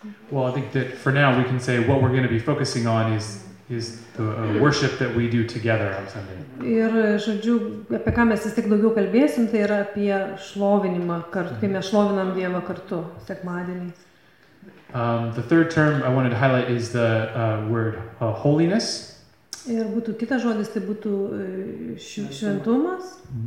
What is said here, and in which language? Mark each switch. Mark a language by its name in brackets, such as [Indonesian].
[English] Well, I think that for now we can say what we're going to be focusing on is the worship that we do together on Sunday. [Lithuanian] Ir žodžiu, apie ką mes vis tik daugiau kalbėsim, tai yra apie šlovinimą kartu, kai mes šlovinam Dievą kartu sekmadieniais. [English] The third term I wanted to highlight is the word holiness. [Lithuanian] Ir būtų kitas žodis, tai būtų šventumas.